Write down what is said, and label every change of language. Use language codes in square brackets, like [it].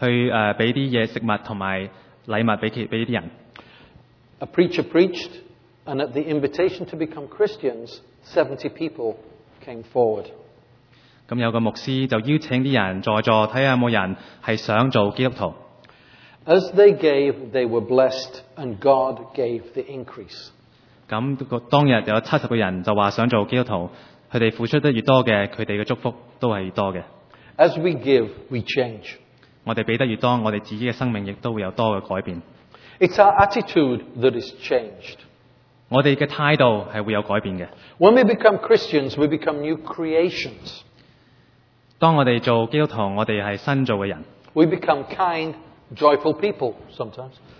[zh] 教會都懂得用錢去給食物和禮物給人。 [en] A preacher preached, and at the invitation to become Christians, 70 people came forward. [zh] 有個牧師就邀請人在座,看看有沒有人想做基督徒。 [en] As they gave, they were blessed, and God gave the increase. [zh] 當日有70個人說想做基督徒,他們付出得越多的,他們的祝福都是越多的。 [en] As we give, we change. [zh] 我們給得越多,我們自己的生命也都會有多的改變。 [en] It's our attitude that is changed. [zh] 我們的態度是會有改變的。 [en] When we become Christians, we become new creations. [zh] 當我們做基督徒,我們是新造的人。 [en] We become kind, joyful people sometimes.